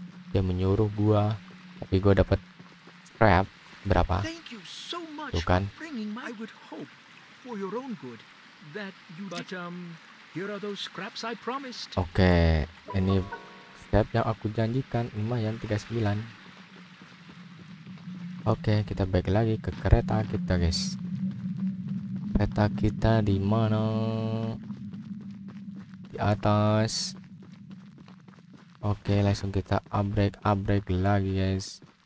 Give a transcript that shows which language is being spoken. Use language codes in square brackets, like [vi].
[id] Dia menyuruh gua, tapi gua dapat scrap berapa? Tuh kan? [en] I would hope for your own good that you but here are those scraps I promised. [id] Oke, ini scrap yang aku janjikan, lumayan 39. Oke, kita balik lagi ke kereta kita, guys. Kereta kita di mana? Di atas. Oke, langsung kita upgrade lagi, guys.